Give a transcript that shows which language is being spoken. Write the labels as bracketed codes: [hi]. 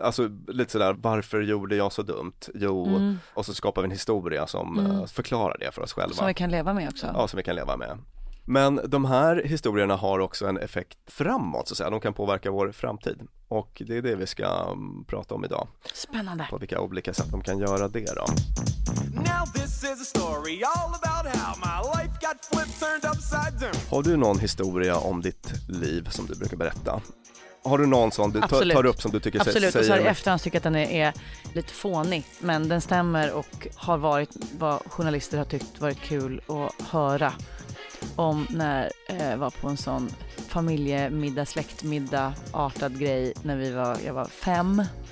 [sv] Alltså lite sådär, varför gjorde jag så dumt? Jo, och så skapar vi en historia som förklarar det för oss själva. Som vi kan leva med också. Ja, som vi kan leva med. Men de här historierna har också en effekt framåt, så att säga. De kan påverka vår framtid. Och det är det vi ska prata om idag. Spännande. På vilka olika sätt de kan göra det då. [en] Now this is a story all about how my life got flipped, turned upside down. [sv] Har du någon historia om ditt liv som du brukar berätta? Har du någon sån du tar upp som du tycker absolut. Säger... Absolut, och så här efterhand tycker jag att den är lite fånig. Men den stämmer och har varit vad journalister har tyckt varit kul att höra. Om när jag var på en sån familjemiddag, släktmiddag artad grej när jag var fem.